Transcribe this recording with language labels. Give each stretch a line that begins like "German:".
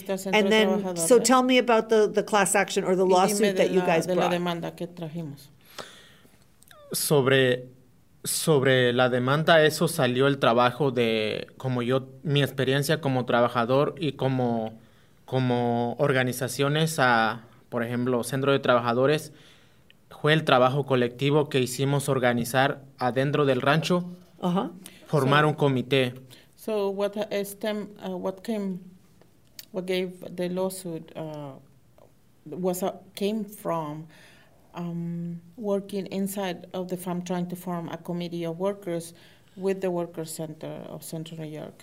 English: And then, so tell me about the class action or the lawsuit that you guys brought.
Spanish: De la demanda que trajimos. Sobre la demanda, eso salió el trabajo de, como yo, mi experiencia como trabajador y como organizaciones, por ejemplo, Centro de Trabajadores, fue el trabajo colectivo que hicimos organizar adentro del rancho. Ajá. Uh-huh. formar un comité.
English: So what stem, what came, what gave the lawsuit was came from working inside of the farm, trying to form a committee of workers with the Workers' Center of Central New York.